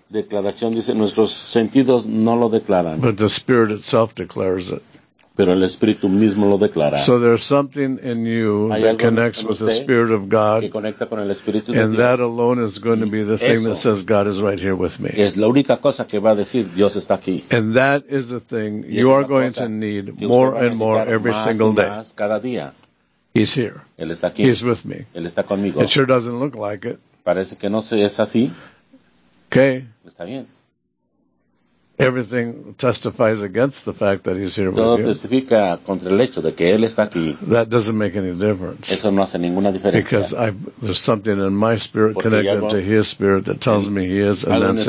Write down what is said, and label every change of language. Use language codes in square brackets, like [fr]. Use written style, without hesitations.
[es] Declaración dice, nuestros sentidos no lo declaran. [en] But the Spirit itself declares it. [es] Pero el Espíritu mismo lo declara. [en] So there's something in you that connects with the Spirit of God. [es] Que conecta con el Espíritu de [en] and [es] Dios. [en] That alone is going to be the thing that says God is right here with me. [es] Es la única cosa que va a decir, Dios está aquí. [en] And that is the thing you are going to need more and more every single day. [es] Cada día. [en] He's here. [es] Él está aquí. [en] He's with me. [es] Él está conmigo. [en] It sure doesn't look like it. [es] Parece que no es así. [en] Okay. [es] Está bien. [en] Everything testifies against the fact that he's here with [es] todo [en] you. [es] Todo testifica contra el hecho de que él está aquí. [en] That doesn't make any difference. [es] Eso no hace ninguna diferencia. [en] Because there's something in my spirit [es] porque [en] connected to his spirit that tells me he is, and that's